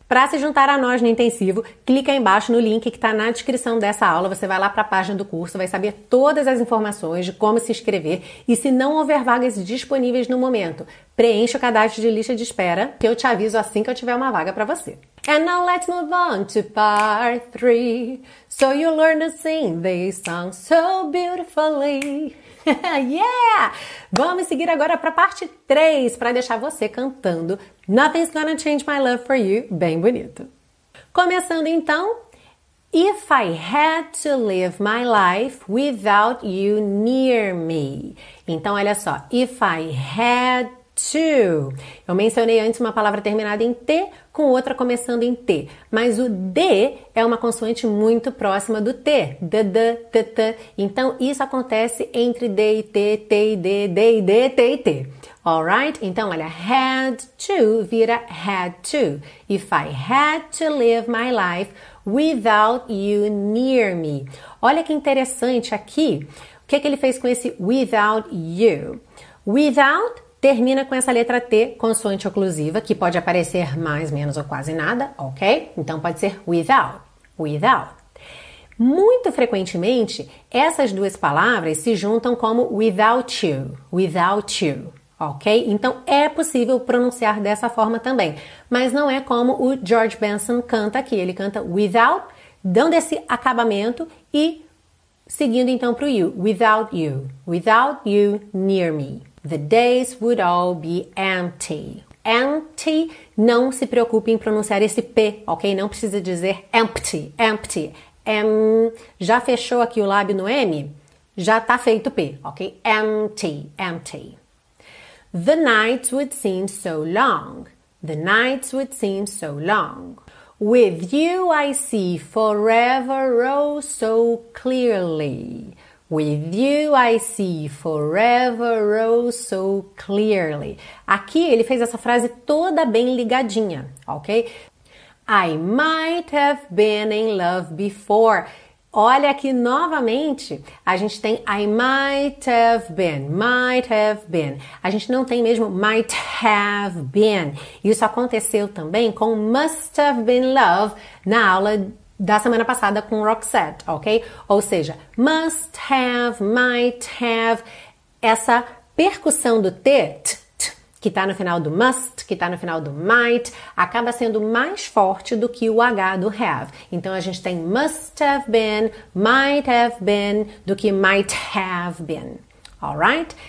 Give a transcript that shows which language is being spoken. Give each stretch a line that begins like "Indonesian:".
Portuguese: Para se juntar a nós no intensivo, clica aí embaixo no link que está na descrição dessa aula. Você vai lá para a página do curso, vai saber todas as informações de como se inscrever. E se não houver vagas disponíveis no momento, preenche o cadastro de lista de espera, que eu te aviso assim que eu tiver uma vaga para você.
English: And now let's move on to part three. So you learn to sing this song so beautifully. Yeah!
Portuguese: Vamos seguir agora para a parte 3, para deixar você cantando Nothing's Gonna Change My Love for You, bem bonito. Começando então,
English: If I had to live my life without you near me.
Portuguese: Então, olha só,
English: if I had to.
Portuguese: Eu mencionei antes uma palavra terminada em T com outra começando em T, mas o D é uma consoante muito próxima do T. D, D, T, T. Então, isso acontece entre D e T, T e D, D e D, T e T.
English: Alright?
Portuguese: Então, olha,
English: had to
Portuguese: vira had to.
English: If I had to live my life without you near me.
Portuguese: Olha que interessante aqui. O que é que ele fez com esse
English: without you?
Portuguese: Without termina com essa letra T, consoante oclusiva, que pode aparecer mais, menos ou quase nada, ok? Então pode ser without, without. Muito frequentemente, essas duas palavras se juntam como
English: without you,
Portuguese: ok? Então é possível pronunciar dessa forma também, mas não é como o George Benson canta aqui. Ele canta without, dando esse acabamento e seguindo então para o you, without you,
English: without you near me. The days would all be empty.
Portuguese: Empty, não se preocupe em pronunciar esse P, ok? Não precisa dizer empty, empty. Já fechou aqui o lábio no M? Já tá feito o P, ok? Empty, empty.
English: The nights would seem so long. The nights would seem so long. With you I see forever oh so clearly. With you I see forever oh so clearly.
Portuguese: Aqui ele fez essa frase toda bem ligadinha, ok?
English: I might have been in love before.
Portuguese: Olha aqui novamente, a gente tem
English: I might have been.
Portuguese: A gente não tem mesmo
English: might have been.
Portuguese: Isso aconteceu também com
English: must have been love
Portuguese: na aula da semana passada com Roxette, ok? Ou seja, must have, might have, essa percussão do que está no final do must, que está no final do might, acaba sendo mais forte do que o H do have. Então a gente tem
English: must have been, might have been,
Portuguese: do que might have been. Alright?